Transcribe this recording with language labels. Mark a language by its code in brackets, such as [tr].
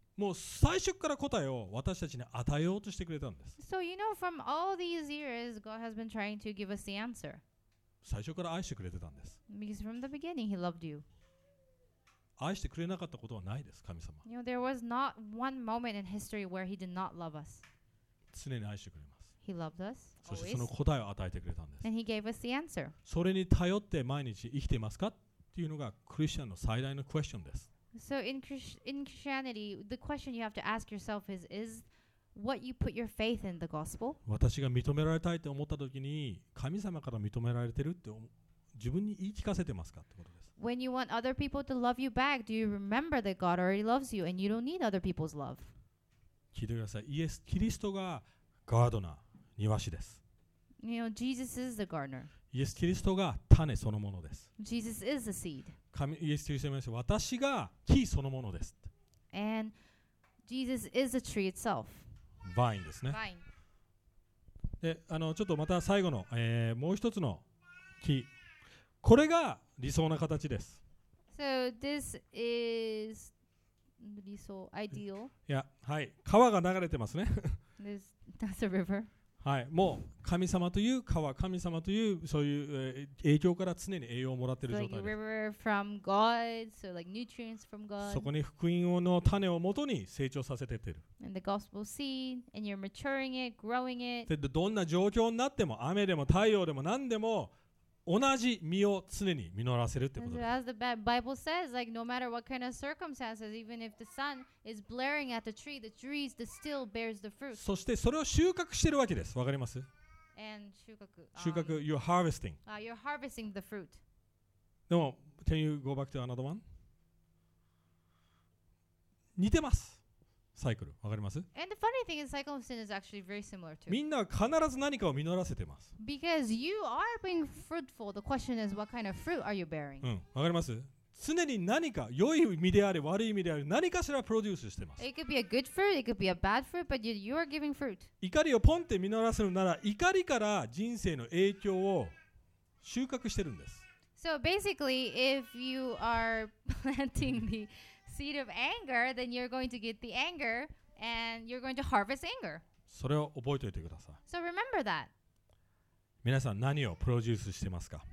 [ja] もう最初から答えを私たちに与えようとしてくれたんです。 [en] So you know, from all these years, God has been trying to give us the answer. [ja] 最初から愛してくれてたんです。 [en] Because from the beginning, He loved you. [ja] 愛してくれなかったことはないです、神様。 [en] You know, there was not one moment in history where He did not love us. [ja] 常に愛してくれます。 [en] He loved us. [ja] そしてその答えを与えてくれたんです。 [en] And He gave us the answer. [ja] それに頼って毎日生きていますかっていうのがクリスチャンの最大のクエスチョンです。 [en] So in Christianity, the question you have to ask yourself is what you put your faith in the gospel? [ja] 私が認められたいと思った時に神様から認められてるって自分に言い聞かせてますかってことです。 [en] When you want other people to love you back, do you remember that God already loves you and you don't need other people's love? [ja] 聞いてください。イエス・キリストがガードナー、庭師です。 [en] You know, Jesus is the gardener. [ja] イエス・キリストが種そのものです。 [en] Jesus is the seed. [ja] 神イエスと言います。私が木そのものです。 [en] And Jesus is the tree itself. [ja] バインですね。バイン。で、ちょっとまた最後の、もう一つの木。これが理想な形です。 [en] So this is 理想 ideal. [ja] いや、はい。川が流れてますね。 [en] That's a river. [ja] はい、もう神様という川、神様というそういう、影響から常に栄養をもらっている状態です。 [en] So like a river from God, so like nutrients from God. [ja] そこに福音をの種をもとに成長させてている。 [en] And the gospel seed, and you're maturing it, growing it. [ja] どんな状況になっても、雨でも太陽でも何でも同じ身を常に実らせるってことです。 [en] As the Bible says, like, no matter what kind of circumstances, even if the sun is blaring at the tree, the tree still bears the fruit. [ja] そしてそれを収穫してるわけです。わかります？ [en] And 収穫。収穫、you're harvesting. You're harvesting the fruit. [ja] でも、 [en] can you go back to another one? [ja] 似てます。サイクル、わかります？ [en] And the funny thing is, cycle of sin is actually very similar too. [ja] みんな必ず何かを実らせてます。 [en] Because you are being fruitful, the question is, what kind of fruit are you bearing? [ja] うん、わかります？常に何か良い意味であれ、悪い意味であれ、何かしらプロデュースしてます。 [en] It could be a good fruit, it could be a bad fruit, but you are giving fruit. [ja] 怒りをポンって実らせるなら、怒りから人生の影響を収穫してるんです。 [en] So basically, if you are planting the seed of anger, then you're going to get the anger and you're going to harvest anger. [ja] それを覚えておいてください。 [en] So remember that. [ja] 皆さん何をプロデュースしてますか？